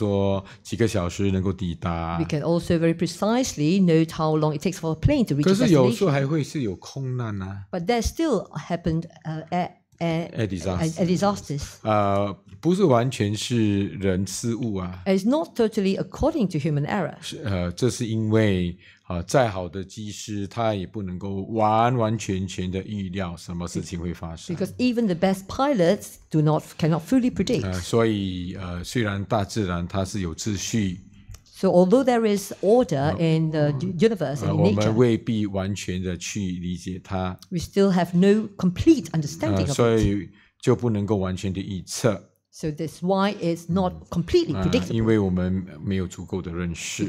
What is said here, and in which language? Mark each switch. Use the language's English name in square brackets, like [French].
[Chinese] 我们也可以很精准的瞄准那个地方，我们也知道说几个小时能够抵达。 [English] We can also very precisely note how long it takes for a plane to reach the destination. [Chinese] 可是有时候还会是有空难啊。 [English] But there still happened disasters. [Chinese] 不是完全是人失误啊。 [English] It's not totally according to human error. [Chinese] 这是因为再好的机师他也不能够完完全全的预料什么事情会发生。 [English] Because even the best pilots cannot fully predict. [Chinese] 所以虽然大自然它是有秩序。 [English] So although there is order in the universe and in nature, [Chinese] 我们未必完全的去理解它。 [English] We still have no complete understanding of it. [Chinese] 所以就不能够完全的预测。 [English] So that's why it's not completely predictable. [Chinese] 因为我们没有足够的认识。